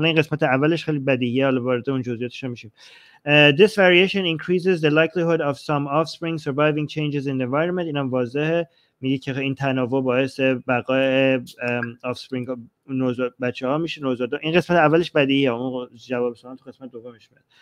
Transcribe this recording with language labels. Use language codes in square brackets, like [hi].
[fa] حالا این قسمت اولش خیلی بدیهیه، حالا وارد اون جزئیاتش میشیم. [en] This variation increases the likelihood of some offspring surviving changes in the environment. [fa] این هم واضحه، میگه که این تنوع باعث بقای offspring بچه ها میشه، نوزاد. این قسمت اولش بدیهیه، اون جواب سوال تو قسمت دومش میاد.